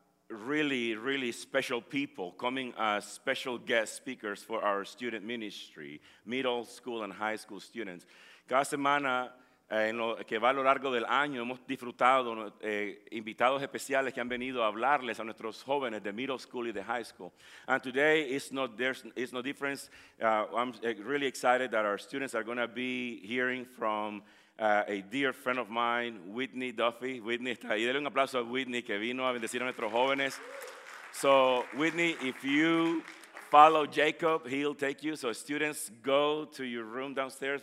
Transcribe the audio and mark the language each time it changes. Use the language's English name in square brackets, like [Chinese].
[English] really, really special people coming as special guest speakers for our student ministry, middle school and high school students. [Spanish] Cada semana, en lo que va a lo largo del año, hemos disfrutado invitados especiales que han venido a hablarles a nuestros jóvenes de middle school y de high school. [English] And today, it's no difference. I'm really excited that our students are going to be hearing from a dear friend of mine, Whitney Duffy. [Spanish] Whitney, está ahí. Dale un aplauso a Whitney, que vino a bendecir a nuestros jóvenes. [English] So, Whitney, if you follow Jacob, he'll take you. So students, go to your room downstairs.